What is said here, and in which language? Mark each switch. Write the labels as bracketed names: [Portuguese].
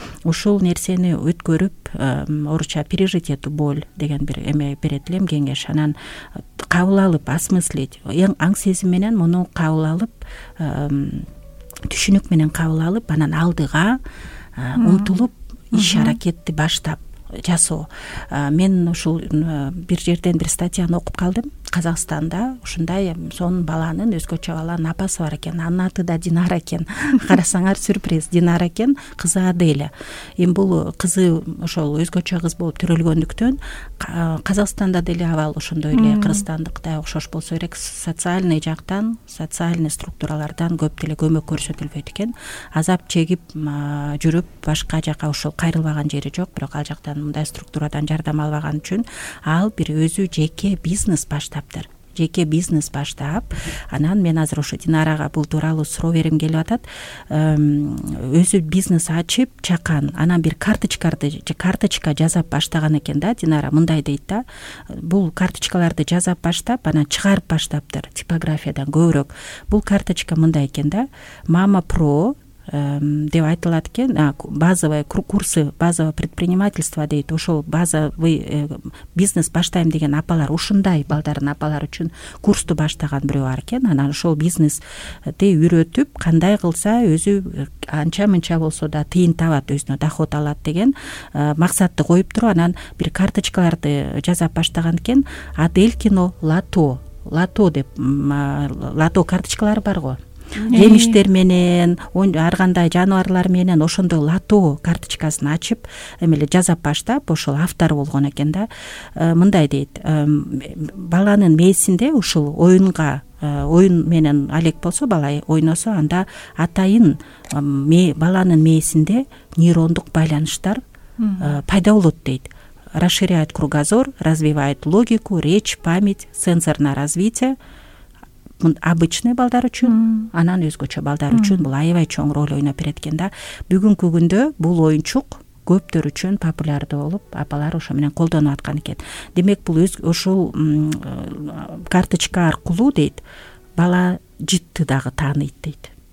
[Kyrgyz] Ушул нерсени өткөрүп, орусча [Russian] пережить эту боль [Kyrgyz] деген бир эме берет элем кеңеш, анан кабыл алып [Russian] осмыслить, [Kyrgyz] эң аң сезим менен муну кабыл алып, түшүнүк менен кабыл алып, анан алдыга умтулуп иш аракетти баштап жасоо. Мен ушул бир жерден бир статьяны окуп калдым. Казакстанда ушундай сонун баланын, өзгөчө баланын апасы бар экен, анын аты да Динара экен. Карасаңар сюрприз, Динара экен, кызы Аделя. Эми бул кызы ошол өзгөчө кыз болуп төрөлгөндүктөн Казакстанда деле абал ошондой эле, кыргызстандыктай окшош болсо керек, социальный жактан, социальный структуралардан көп деле көмөк көрсөтүлбөйт экен. Азап чегип жүрүп башка жака ушул кайрылбаган жери жок, бирок ал жактан, мындай структурадан жардам албаган үчүн ал бир өзү жеке бизнес баштаптыр. Жеке бизнес баштап, анан мен азыр ушу Динарага бул тууралуу суроо берим келип атат. Өзү бизнес ачып чакан, анан бир карточка жасап баштаган экен да Динара, мындай дейт да. Бул карточкаларды жасап баштап, анан чыгарып баштаптыр типографиядан көбүрөөк. Бул карточка мындай экен да, Мама Про деп айтылат экен, базовый курсы, [Russian] базовое предпринимательство [Kyrgyz] дейт. Ошол базовый бизнес баштайм деген апалар, ушундай балдардын апалары үчүн курсту баштаган бирөө бар экен, анан ошол бизнести үйрөтүп, кандай кылса өзү анча мынча болсо да тыйын табат, өзүнө доход алат деген максатты коюп туруп, анан бир карточкаларды жасап баштаган экен. Аделькино лато деп лато карточкалары бар го, жемиштер менен, ар кандай жаныбарлар менен, ошондой лато карточкасын ачып эме эле жасап баштап, ошол автор болгон экен да. Мындай дейт, баланын мээсинде ушул оюнга, оюн менен алек болсо, бала ойносо, анда атайын баланын мээсинде нейрондук байланыштар пайда болот дейт. [Russian] Расширяет кругозор, развивает логику, речь, память, сенсорное развитие. [Kyrgyz] Обычный балдар үчүн, анан өзгөчө балдар үчүн бул аябай чоң роль ойноп берет экен да. Бүгүнкү күндө бул оюнчук көптөр үчүн популярдуу болуп, апалар ошо менен колдонуп аткан экен. Демек бул ошол карточка аркылуу дейт, бала жытты дагы тааныйт дейт.